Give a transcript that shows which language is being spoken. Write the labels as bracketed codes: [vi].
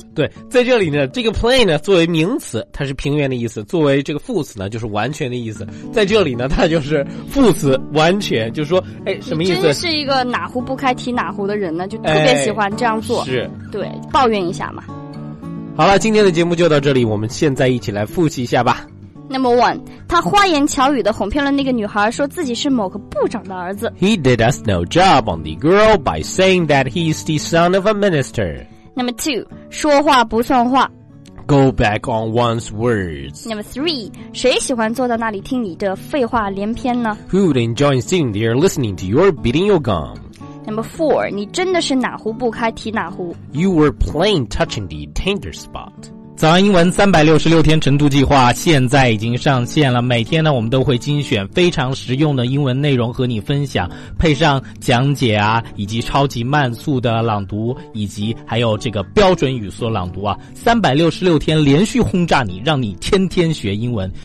[zh] 对，在这里呢，这个 plain 呢作为名词它是平原的意思，作为这个副词呢就是完全的意思，在这里呢它就是副词完全，就是说哎，什么意思？真是一个哪壶不开提哪壶的人呢，就特别喜欢这样做。哎，是，对，抱怨一下嘛。好了，今天的节目就到这里，我们现在一起来复习一下吧。 [en] Number one， [zh] 他花言巧语的哄骗了那个女孩，说自己是某个部长的儿子。 [en] He did us no job on the girl by saying that he's the son of a minister. Number two， [zh] 说话不算话。 [en] Go back on one's words. Number three， [zh] 谁喜欢坐在那里听你的废话连篇呢？ [en] Who would enjoy sitting there listening to your beating your gum? Number four， [zh] 你真的是哪壶不开提哪壶。 [en] You were plain touching the tender spot. [zh] 早安英文366天晨读计划现在已经上线了，每天呢我们都会精选非常实用的英文内容和你分享，配上讲解啊，以及超级慢速的朗读，以及还有这个标准语速朗读啊，366天连续轰炸你，让你天天学英文。